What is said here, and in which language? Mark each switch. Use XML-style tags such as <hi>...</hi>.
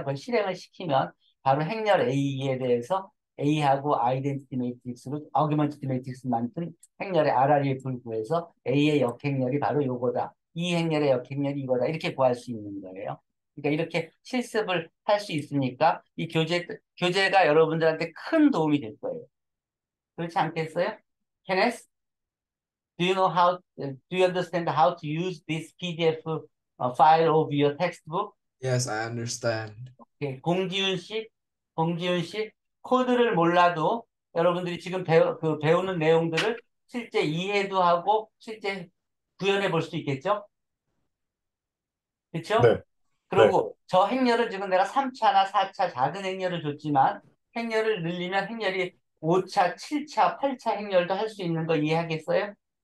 <ko>그걸 실행을 시키면 바로 행렬 A에 대해서 A하고 Identity Matrix로 Augmented Matrix 만든 행렬의 RRF를 구해서 A의 역행렬이 바로 요거다. 이 행렬의 역행렬이 이거다. 이렇게 구할 수 있는 거예요. 그러니까 이렇게 실습을 할수 있으니까 이 교재가 여러분들한테 큰 도움이 될 거예요. 그렇지 않겠어요? Kenneth?</ko> <en>Do you understand how to use this PDF file of your textbook? Yes, I understand. Okay.</en> <ko>공기훈 씨, 코드를 몰라도 여러분들이 지금 배우는 내용들을 실제 이해도 하고 실제 구현해 볼수 있겠죠? 그렇죠? 그리고 저 행렬을 지금 내가 3차나 4차 작은 행렬을 줬지만 행렬을 늘리면 행렬이 5차, 7차, 8차 행렬도 할수 있는 거 이해하겠어요?</ko>